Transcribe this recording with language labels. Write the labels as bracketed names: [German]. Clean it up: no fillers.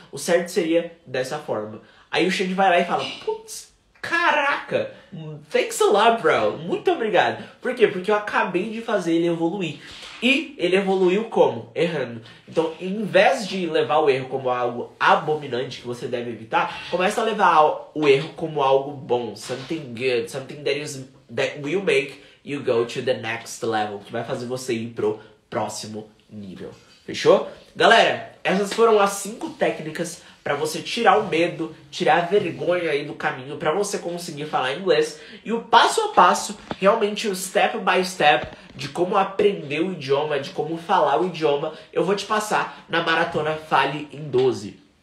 [Portuguese] O certo seria dessa forma. Aí o Xande vai lá e fala, putz, caraca, [English] thanks a lot, bro. [Portuguese] Muito obrigado. Por quê? Porque eu acabei de fazer ele evoluir. E ele evoluiu como? Errando. Então, em vez de levar o erro como algo abominante que você deve evitar, começa a levar o erro como algo bom. [English] Something good. Something that will make you go to the next level. [Portuguese] Que vai fazer você ir pro próximo nível. Fechou? Galera, essas foram as 5 técnicas para você tirar o medo, tirar a vergonha aí do caminho, para você conseguir falar inglês. E o passo a passo, realmente o step by step de como aprender o idioma, de como falar o idioma, eu vou te passar na maratona Fale em 12.